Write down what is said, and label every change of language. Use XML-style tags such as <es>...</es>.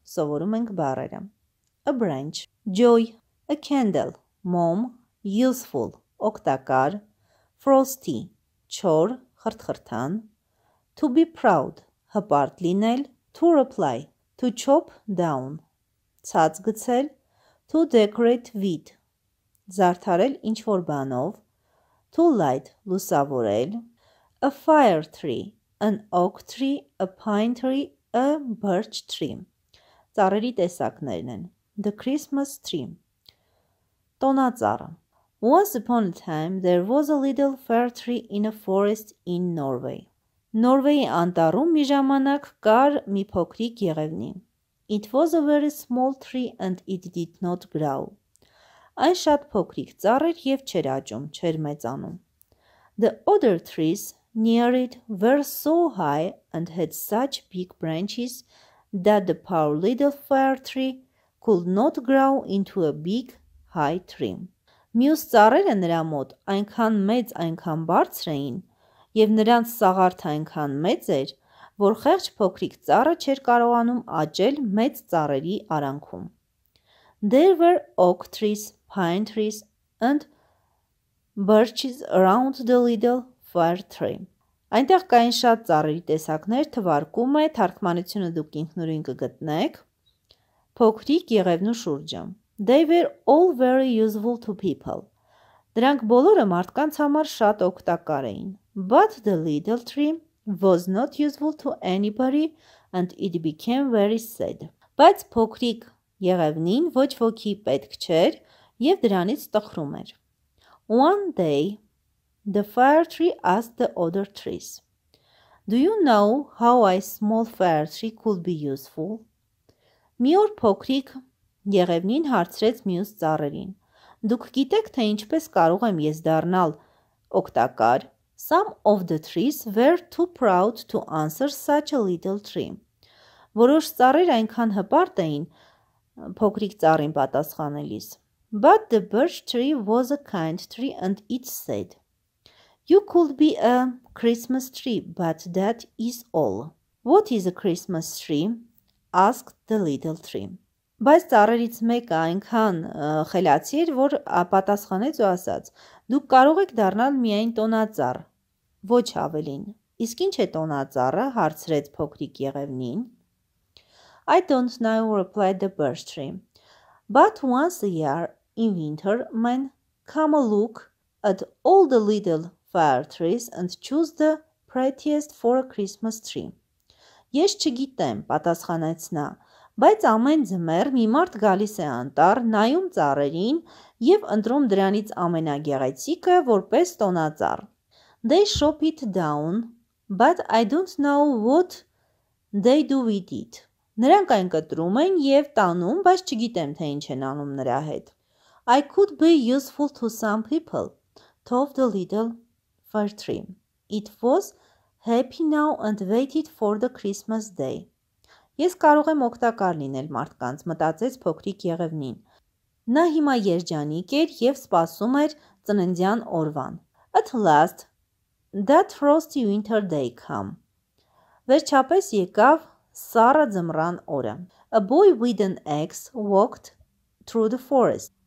<hy>Սովորում ենք բառերը.</hy> <en>A branch, joy, a candle, mom, useful,</en> <hy>օգտակար,</hy> <en>frosty,</en> <hy>չոր, խրթխրթան,</hy> <en>to be proud,</en> <hy>հպարտ լինել,</hy> <en>to reply, to chop down,</en> <hy>ցած գցել,</hy> <en>to decorate with,</en> <hy>զարդարել ինչ-որ բանով,</hy> <en>to light,</en> <hy>լուսավորել,</hy> <en>a fire tree, an oak tree, a pine tree, a birch tree.</en> <hy>Ծառերի տեսակներն են.</hy> <en>The Christmas tree.</en> <hy>Տոնածառը.</hy> <en>Once upon a time, there was a little fir tree in a forest in Norway.</en> <hy>Նորվեգիայի անտառում մի ժամանակ կար մի փոքրիկ եղևնի.</hy> <en>It was a very small tree and it did not grow.</en> <hy>Այն շատ փոքրիկ ծառ էր եւ չէր աճում, չէր մեծանում.</hy> <en>The other trees near it were so high and had such big branches that the poor little fir tree could not grow into a big high tree.</en> <hy>Մյուս ծառերը նրա մոտ այնքան մեծ, այնքան բարձր էին, եւ նրանց սաղարթը այնքան մեծ էր, որ խեղճ փոքրիկ ծառը չէր կարողանում աճել մեծ ծառերի արանքում.</hy> <en>There were oak trees, pine trees and birches around the little fir tree.</en> <hy>Այնտեղ կային շատ ծառերի տեսակներ, թվարկում է թարգմանությունը դուք ինքնուրույն կգտնեք։ Փոքրիկ եղևնու շուրջը.</hy> <en>They were all very useful to people.</en> <hy>Դրանք բոլորը մարդկանց համար շատ օգտակար էին.</hy> <en>But the little tree was not useful to anybody and it became very sad.</en> <hy>Բայց փոքրիկ եղևնին ոչ ոքի պետք չէր եւ դրանից տխրում էր.</hy> <en>One day the fir tree asked the other trees. Do you know how a small fir tree could be useful?</en> <hy>Մի օր փոքրիկ եղևնին հարցրեց մյուս ծառերին. Դուք գիտեք, թե ինչպես կարող եմ ես դառնալ օգտակար?</hy> <en>Some of the trees were too proud to answer such a little tree.</en> <hy>Որոշ ծառեր այնքան հպարտ էին փոքրիկ ծառին պատասխանելիս.</hy> <en>But the birch tree was a kind tree and it said, You could be a Christmas tree, but that is all. What is a Christmas tree? Asked the little tree.</en> <hy>Բայց ծառերից մեկը այնքան խելացի էր, որ պատասխանեց ու ասաց. Դուք կարող եք դառնալ միայն տոնածառ. Ոչ ավելին։ Իսկ ինչ է տոնածառը, հարցրեց փոքրիկ եղևնին։</hy> <en>I don't know, replied the birch tree. But once a year in winter, men come a look at all the little fir trees and choose the prettiest for a Christmas tree.</en> <hy>Ես չգիտեմ, պատասխանեց նա, բայց ամեն ձմեռ մի մարդ գալիս է անտառ, նայում ծառերին եւ ընտրում դրանից ամենագեղեցիկը որպես տոնածառ։</hy> <en>They chop it down, but I don't know what they do with it.</en> <hy>Նրանք այն կտրում են եւ տանում, բայց չգիտեմ թե ինչ են անում նրա հետ։</hy> <en>I could be useful to some people, told the little fir tree. It was happy now and waited for the Christmas day.</en> <hy>Ես կարող եմ օգտակար լինել մարդկանց, մտածեց փոքրիկ եղևնին։ Նա հիմա երջանիկ էր եւ սպասում էր ծննդյան օրվան։</hy> <en>At last, that frosty winter day came.</en> <hy>Վերջապես եկավ սառը ձմռան օրը։</hy> <en>A boy with an axe walked through the forest.</en>